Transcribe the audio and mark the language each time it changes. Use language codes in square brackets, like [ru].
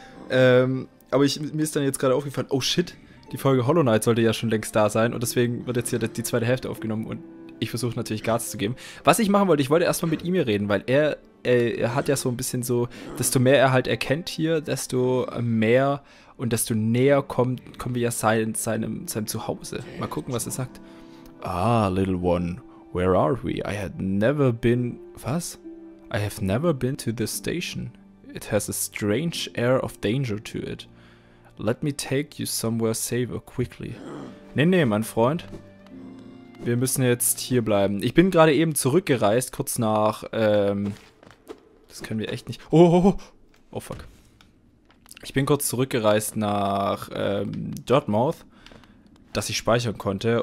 [de] Aber mir ist dann jetzt gerade aufgefallen, oh shit, die Folge Hollow Knight sollte ja schon längst da sein und deswegen wird jetzt hier die zweite Hälfte aufgenommen und ich versuche natürlich Gas zu geben. Was ich machen wollte, ich wollte erstmal mit ihm hier reden, weil er hat ja so ein bisschen so, desto mehr er halt erkennt hier, desto mehr und desto näher kommen wir ja seinem Zuhause. Mal gucken, was er sagt. [en] Ah, little one, where are we? I had never been... [de] Was? [en] I have never been to this station. It has a strange air of danger to it. Let me take you somewhere safer quickly. [de] Nee, mein Freund. Wir müssen jetzt hier bleiben. Ich bin gerade eben zurückgereist, kurz nach, das können wir echt nicht... Oh fuck. Ich bin kurz zurückgereist nach Dartmouth, dass ich speichern konnte.